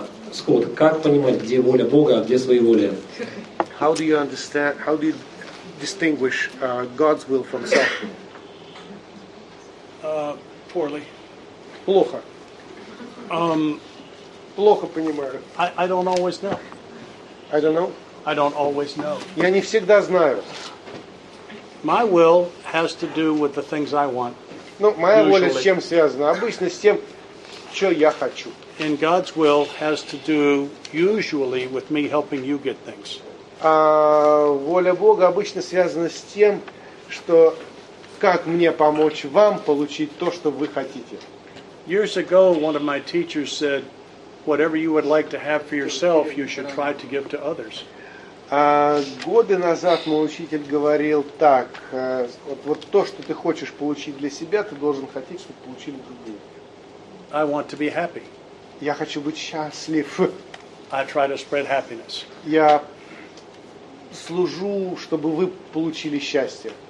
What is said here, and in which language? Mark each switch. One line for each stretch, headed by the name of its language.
Russian: Скотт, как понимать, где воля Бога, а где своеволие?
English: How do you understand, how do you distinguish God's will from self? Poorly.
Russian: Плохо. Плохо понимаю.
English: I don't always know. I don't know. I don't always know.
Russian: Я не всегда знаю.
English: My will has to do with the things I want.
Russian: Ну, моя воля с чем связана? Обычно с тем, что я хочу.
English: And God's will has to do usually with me helping you get things.
Russian: А воля Бога обычно связана с тем, что как мне помочь вам получить то, что вы хотите.
English: Years ago, one of my teachers said, "Whatever you would like to have for yourself, you should try to give to others."
Russian: Годы назад мой учитель говорил так: вот то, что ты хочешь получить для себя, ты должен хотеть, чтобы получили другие.
English: I want to be happy.
Russian: Я хочу быть счастлив.
English: I try to spread happiness.
Russian: Я служу, чтобы вы получили счастье.